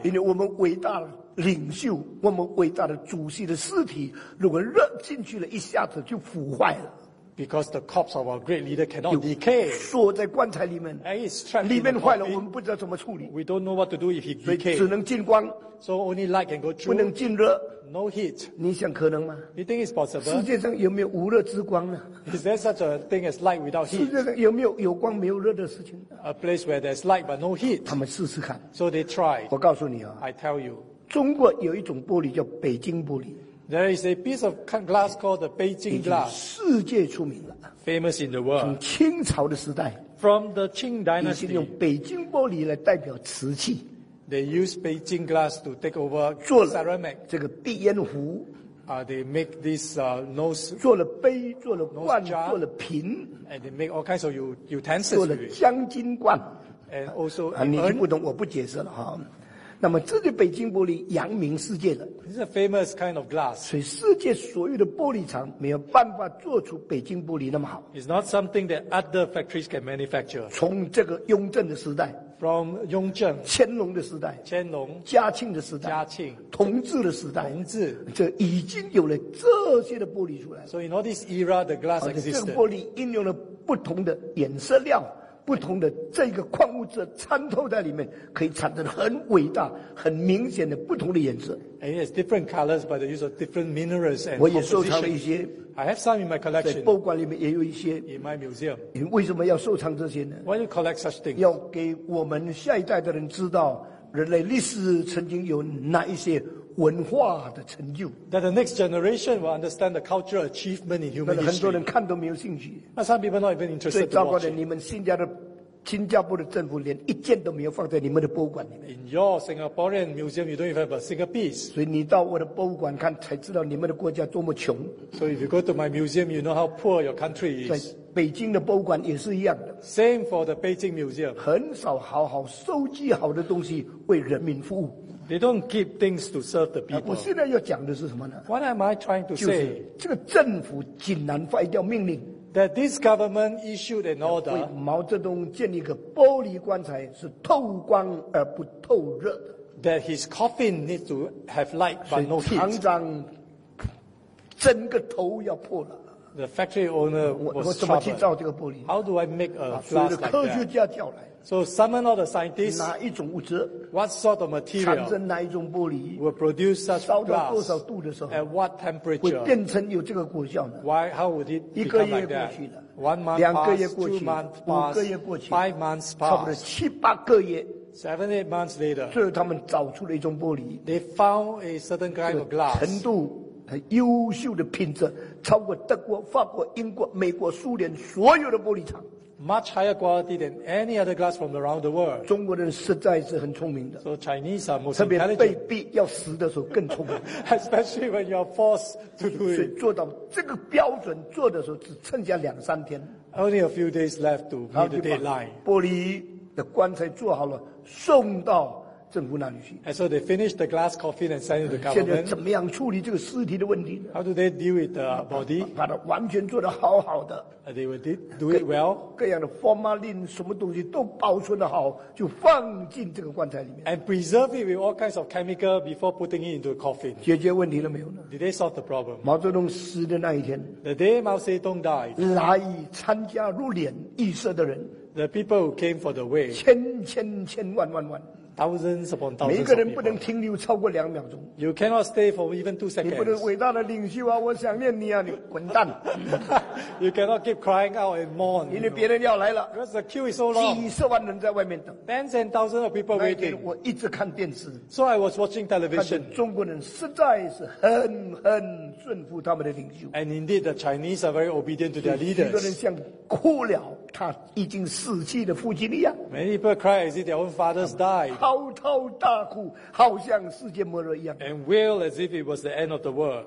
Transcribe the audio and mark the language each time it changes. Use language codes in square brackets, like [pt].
[zh] 因为我们伟大的领袖我们伟大的主席的尸体如果热进去了一下子就腐坏了 [en] Because the corpse of our great leader cannot decay [zh] 锁在棺材里面 [en] And it's trapped [zh] 里面坏了我们不知道怎么处理 [en] We don't know what to do if he decay [zh] 只能进光 [en] So only light can go through [zh] 不能进热 [en] No heat [zh] 你想可能吗 [en] You think it's possible? [zh] 世界上有没有无热之光呢 [en] Is there such a thing as light without heat? [zh] 世界上有没有有光没有热的事情 [en] A place where there's light but no heat [zh] 他们试试看 [en] So they tried [zh] 我告诉你啊 [en] I tell you [zh] 中国有一种玻璃叫北京玻璃 [en] There is a piece of glass called the Beijing glass [zh] 世界出名了 [en] Famous in the world [zh] 从清朝的时代 [en] From the Qing dynasty [zh] 已经用北京玻璃来代表瓷器 [en] They use Beijing glass to take over [zh] 做了 [en] ceramic [zh] 这个鼻烟壶 [en] They make this nose [zh] 做了杯做了罐做了瓶 [en] And they make all kinds of utensils [zh] 做了香精罐 [en] And also [zh] 你听不懂我不解释了那么这些北京玻璃扬名世界了 [en] This is a famous kind of glass [zh] 所以世界所有的玻璃厂没有办法做出北京玻璃那么好 [en] It's not something that other factories can manufacture [zh] 从这个雍正的时代 [en] From 雍正 [zh] 乾隆的时代乾隆嘉庆的时代嘉庆同治的时代同治这已经有了这些的玻璃出来 [en] So in all this era the glass existed [zh] 这个玻璃应用了不同的颜色料不同的这个矿物质参透在里面，可以产生很伟大、很明显的不同的颜色。 [en] And it has different colors by the use of different minerals and composition. [zh] 我也收藏了一些。 [en] I have some in my collection. [zh] 在博物馆里面也有一些。 [en] In my museum. [zh] 你为什么要收藏这些呢 [en] ？Why do you collect such things? [zh] 要给我们下一代的人知道，人类历史曾经有哪一些文化的成就。 [en] That the next generation will understand the cultural achievement in human history. [zh] 很多人看都没有兴趣。 [en] But some people not even interested. [zh] 最糟糕的，你们新加坡的政府连一件都没有放在你们的博物馆里面。 [en] In your Singaporean museum, you don't even have a single piece. [zh] 所以你到我的博物馆看，才知道你们的国家多么穷。 [en] So if you go to my museum, you know how poor your country is. [zh] 在北京的博物馆也是一样的。 [en] Same for the Beijing Museum. [zh] 很少好好收集好的东西为人民服务。 [en] They don't keep things to serve the people. [zh] 我现在要讲的是什么呢 [en] ？What am I trying to say? [zh] 就是这个政府竟然发一条命令。 [en] That this government issued an order. [zh] 为毛泽东建立一个玻璃棺材是透光而不透热的。 [en] That his coffin needs to have light but no heat. [zh] 厂长整个头要破了。 [en] The factory owner was troubled. [zh] 我怎么去造这个玻璃 [en] ？How do I make a glass like that? [zh] 科学家叫来。 [en] So summon all the scientists. [zh] 哪一种物质 [en] ？What sort of material? [zh] 产生哪一种玻璃 [en] ？Will produce such glass? [zh] 烧到多少度的时候 [en] ？At what temperature? [zh] 会变成有这个果效呢 [en] ？Why? How would it become like that? [zh] 一个月过去了 [en] ，One month, [zh] 两个月过去 [en] ，Two months, [zh] 五个月过去 [en] ，Five months, [zh] 差不多七八个月 [en] ，Seven, eight months later. [zh] 最后他们找出了一种玻璃 [en] ，They found a certain kind of glass. [zh] 程度很优秀的品质，超过德国、法国、英国、美国、苏联所有的玻璃厂。 [en] Much higher quality than any other glass from around the world. [zh] 中国人实在是很聪明的。 [en] So Chinese are most intelligent. [zh] 特别被逼要死的时候更聪明。 [en] Especially when you are forced to do it. [zh] 所以做到这个标准做的时候只剩下两三天。 [en] Only a few days left to meet the deadline. [zh] 玻璃的棺材做好了，送到政府那里去。 [en] And so they finished the glass coffin and sent it to the government. [zh] 现在怎么样处理这个尸体的问题 [en] ？How do they deal with the body? [zh] 把它完全做得好好的。 [en] They did do it well. [zh] 各样的 formalin 什么东西都保存得好，就放进这个棺材里面。 [en] And preserve it with all kinds of chemical before putting it into the coffin. [zh] 解决问题了没有呢 [en] ？Did they solve the problem? [zh] 毛泽东死的那一天 [en] ，The day Mao Zedong died. [zh] 来参加入殓仪式的人 [en] ，The people who came for the wake. [zh] 千千千万万万。 [en] Thousands upon thousands. [zh] 每个人不能停留超过两秒钟。 [en] You cannot stay for even 2 seconds. [zh] 你不能伟大的领袖啊，我想念你啊，你滚蛋。 [en] You cannot keep crying out and mourn. [zh] 因为别人要来了。 [en] Because the queue is so long. [zh] 几十万人在外面等。 [en] Tens and thousands of people waiting. [zh] 我一直看电视。 [en] So I was watching television. [zh] 中国人实在是很顺服他们的领袖。 [en] And indeed, the Chinese are very obedient to their leaders. [zh] 许多人像哭了他已经死去的父亲一样。 [en] Many people cry as if their own fathers died. [zh] 滔滔大哭，好像世界末日一样。 [en] And wail as if it was the end of the world.